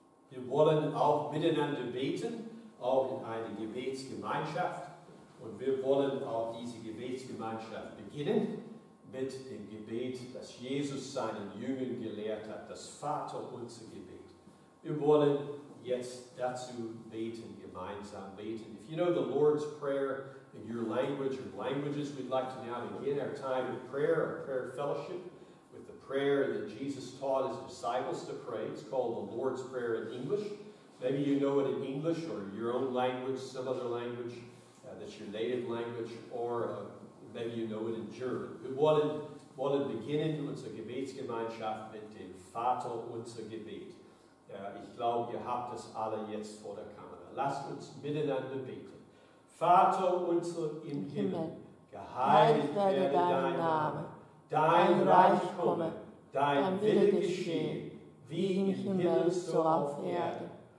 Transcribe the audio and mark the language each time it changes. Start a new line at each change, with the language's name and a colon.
German: Wir wollen auch miteinander beten, auch in eine Gebetsgemeinschaft. Und wir wollen auch diese Gebetsgemeinschaft beginnen mit dem Gebet, das Jesus seinen Jüngern gelehrt hat, das Vaterunser-Gebet. Wir wollen jetzt dazu beten, gemeinsam beten.
English: If you know the Lord's Prayer in your language or languages, we'd like to now begin our time of prayer, our prayer fellowship, with the prayer that Jesus taught his disciples to pray. It's called the Lord's Prayer in English. Maybe you know it in English or your own language, some other language that's your native language, or maybe you know it in German.
German: Wir wollen beginnen unsere Gebetsgemeinschaft mit dem Vater unser Gebet. Ich glaube, ihr habt es alle jetzt vor der Kamera. Lasst uns miteinander beten. Vater unser im Himmel, geheiligt werde dein Name, dein Reich komme, dein Wille geschehe, wie im Himmel so auf Erden.